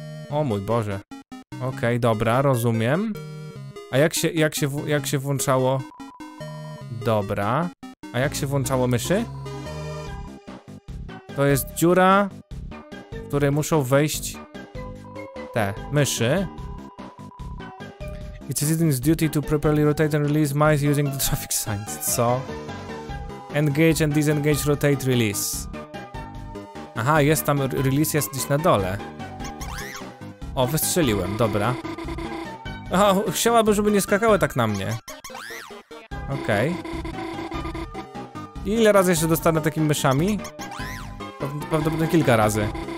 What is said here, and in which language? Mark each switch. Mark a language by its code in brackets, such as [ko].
[pl] O mój Boże. Okej, okay, dobra, rozumiem. A jak się włączało... Dobra. A jak się włączało myszy? To jest dziura, w której muszą wejść... Te myszy. [en] It's his duty to properly rotate and release mice using the traffic signs. [pl] Co? [en] Engage and disengage, rotate, release. [pl] Aha, jest tam release, jest gdzieś na dole. O, wystrzeliłem, dobra. O, chciałabym, żeby nie skakały tak na mnie. Okej. Okay. Ile razy jeszcze dostanę takimi myszami? Prawdopodobnie kilka razy.